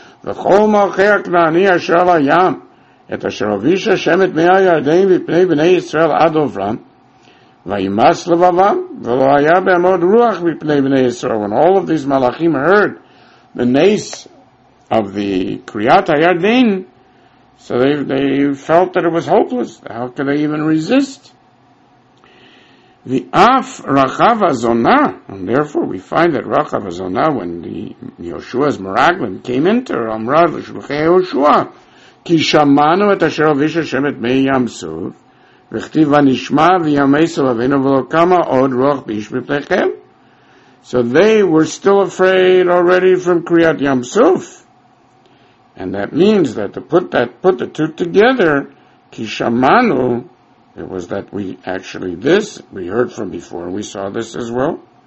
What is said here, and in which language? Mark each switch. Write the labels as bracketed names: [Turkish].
[Hebrew] וכל מלכי הכנעני אשר על הים, את אשר הוביש השם את מי הירדן בפני בני ישראל עד עוברם, וימס לבבם, ולא היה בעמוד רוח בפני בני ישראל. [English] When all of these מלאכים heard the nace of the קריאת הירדן, so they felt that it was hopeless. How could they even resist? [Hebrew] ואף רחב הזונה, [English] and therefore we find that [Hebrew] רחב הזונה, [English] when the Yoshua's Meraglim came into her, [Hebrew] אמרה לשלוחי יהושע, כי שמענו את אשר הוביש השם את מי ים סוף, וכתיב ונשמע וימי סובבינו ולא קמה עוד רוח באיש מפניכם. [English] So they were still afraid already from קריאת ים סוף. And that means that to put the two together, [Hebrew] כי שמענו, [English] it was that we heard from before, and we saw this as well.